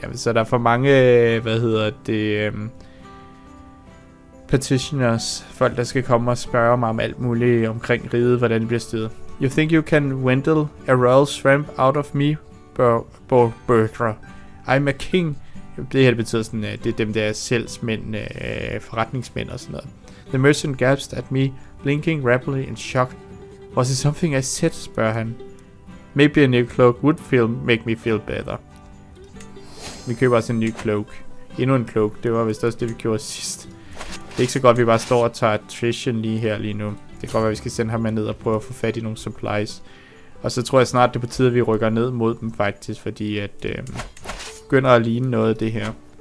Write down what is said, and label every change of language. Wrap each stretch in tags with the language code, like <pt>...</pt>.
<da>Jamen, så der er for mange, petitioners, folk der skal komme og spørge mig om alt muligt omkring riget, hvordan det bliver styret.</da> <en>You think you can wendle a royal shrimp out of me, Bertra? I'm a king.</en> <da>Det her betyder sådan, det er dem der salgsmænd, forretningsmænd og sådan noget.</da> <en>The merchant gasps at me, blinking rapidly in shock. Was it something I said,</en> <da>spørger han.</da> <en>Maybe a new cloak would feel make me feel better.</en> <da>Vi køber også en ny cloak. Endnu en cloak, det var vist også det vi gjorde sidst. Det er ikke så godt, vi bare står og tager attrition lige her lige nu. Det kan godt, at vi skal sende ham ned og prøve at få fat i nogle supplies. Og så tror jeg snart, det er på tide, at vi rykker ned mod dem faktisk, fordi at begynder at ligne noget af det her.</da>